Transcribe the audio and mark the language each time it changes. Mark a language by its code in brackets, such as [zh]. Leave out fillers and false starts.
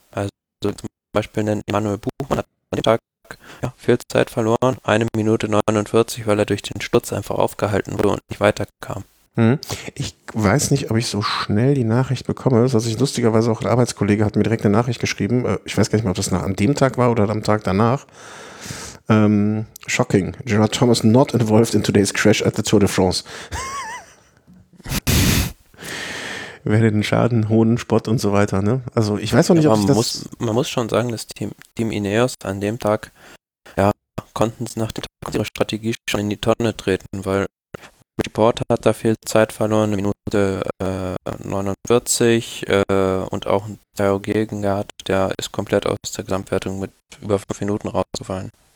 [de] Also zum Beispiel Emanuel Buchmann hat an dem Tag viel Zeit verloren, 1:49, weil er durch den Sturz einfach aufgehalten wurde und nicht weiterkam. Ich weiß nicht, ob ich so schnell die Nachricht bekomme. Also ich lustigerweise auch ein Arbeitskollege hat mir direkt eine Nachricht geschrieben. Ich weiß gar nicht mehr, ob das an dem Tag war oder am Tag danach. [en] Shocking. Gerard Thomas not involved in today's crash at the Tour de France. [de] Wer den Schaden, hohen Spott und so weiter, ne? Also ich weiß auch nicht, ob das... Man muss schon sagen, das Team Ineos an dem Tag, konnten sie nach dem Tag ihre Strategie schon in die Tonne treten, weil Report hat da viel Zeit verloren, eine Minute 49 und auch ein Dario Gegenhardt, der ist komplett aus der Gesamtwertung mit über 5 Minuten rausgefallen.